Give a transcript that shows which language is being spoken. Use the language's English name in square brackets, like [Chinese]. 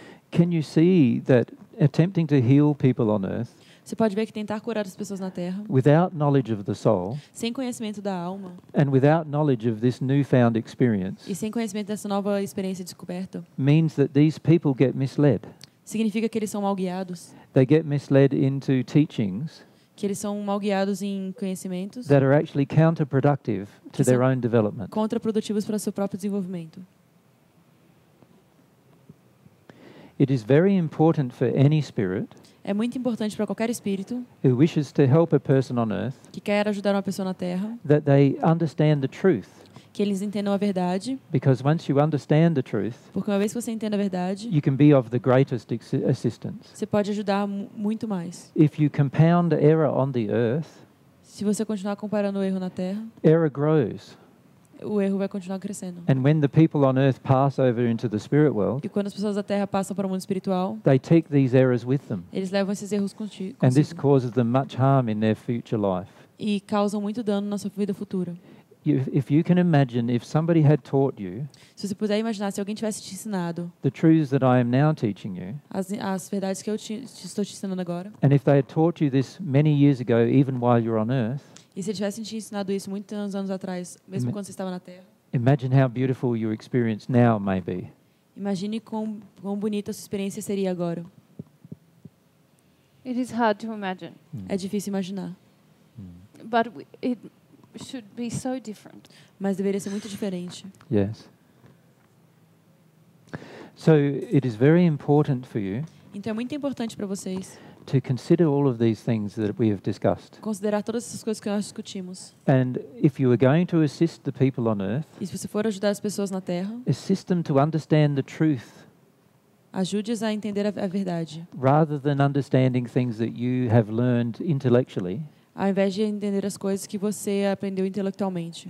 [English] Can you see that attempting to heal people on earth? [Portuguese] Você pode ver que tentar curar as pessoas na terra. [English] Without knowledge of the soul. [Portuguese] Sem conhecimento da alma. [English] And without knowledge of this newfound experience. [Portuguese] E sem conhecimento dessa nova experiência descoberta. [English] Means that these people get misled. [Portuguese] Significa que eles são mal guiados. [English] They get misled into teachings. [Portuguese] Que eles são mal guiados em conhecimentos. [English] That are actually counterproductive to their own development. [Portuguese] Contraprodutivos para seu próprio desenvolvimento. [English] It is very important for any spirit. [Portuguese] É muito importante para qualquer espírito. [English] Who wishes to help a person on earth. [Portuguese] Que quer ajudar uma pessoa na terra. [English] That they understand the truth. [Portuguese] Que eles entendam a verdade. [English] Because once you understand the truth. [Portuguese] Porque uma vez que você entende a verdade. [English] You can be of the greatest assistance. [Portuguese] Você pode ajudar muito mais. [English] If you compound error on the earth. [Portuguese] Se você continuar comparando o erro na terra. [English] Error grows. [Portuguese] O erro vai continuar crescendo. [English] And when the people on earth pass over into the spirit world, [Portuguese] e quando as pessoas da terra passam para o mundo espiritual, [English] they take these errors with them. [Portuguese] Eles levam esses erros consigo. [English] And this causes them much harm in their future life. [Portuguese] E causam muito dano na sua vida futura. [English] If you can imagine if somebody had taught you, [Portuguese] se você puder imaginar se alguém tivesse te ensinado, [English] the truths that I am now teaching you, [Portuguese] as verdades que eu te estou te ensinando agora, [English] and if they had taught you this many years ago, even while you're on earth. [Portuguese] E se tivessem te ensinado isso muitos anos atrás, mesmo quando você estava na Terra. [English] Imagine how beautiful your experience now may be. [Portuguese] Imagine quão bonita a sua experiência seria agora. [English] It is hard to imagine. [Portuguese] É difícil imaginar. [English] But it should be so different. [Portuguese] Mas deveria ser muito diferente. [English] Yes. So it is very important for you. [Portuguese] Então é muito importante para vocês. [English] To consider all of these things that we have discussed. [Portuguese] Considerar todas essas coisas que nós discutimos. [English] And if you are going to assist the people on earth, [Portuguese] e se você for ajudar as pessoas na terra, [English] assist them to understand the truth. [Portuguese] Ajude-as a entender a verdade. [English] Rather than understanding things that you have learned intellectually, [Portuguese] ao invés de entender as coisas que você aprendeu intelectualmente.